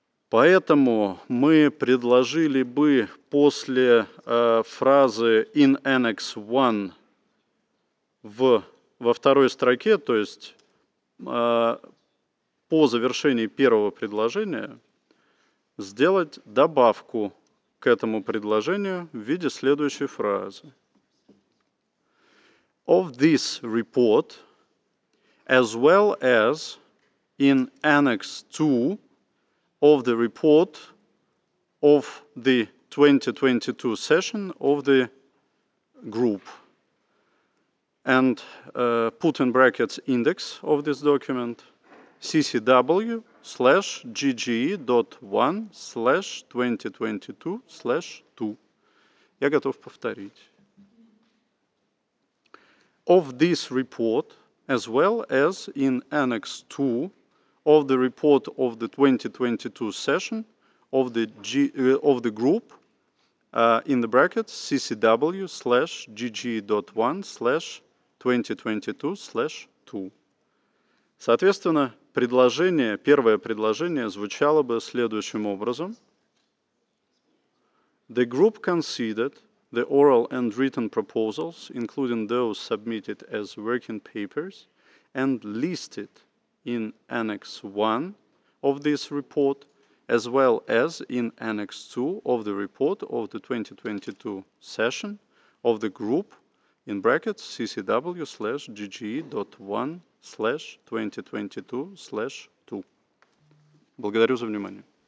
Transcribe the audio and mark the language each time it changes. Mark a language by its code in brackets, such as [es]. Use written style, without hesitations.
[ru] Поэтому мы предложили бы после фразы [en] «in annex 1» [ru] во второй строке, то есть по завершении первого предложения, сделать добавку к этому предложению в виде следующей фразы. [en] Of this report, as well as in Annex 2 of the report of the 2022 session of the group. And put in brackets index of this document, ccw/gge.1/2022/2. [ru] Я готов повторить. [en] Of this report, as well as in Annex 2 of the report of the 2022 session of the group in the brackets ccw/gge.1/2022/2. [ru] Соответственно, предложение, первое предложение звучало бы следующим образом. [en] The group considered the oral and written proposals, including those submitted as working papers, and listed in Annex 1 of this report, as well as in Annex 2 of the report of the 2022 session of the group, in brackets, ccw/gge.1/2022/2. [ru] Благодарю за внимание.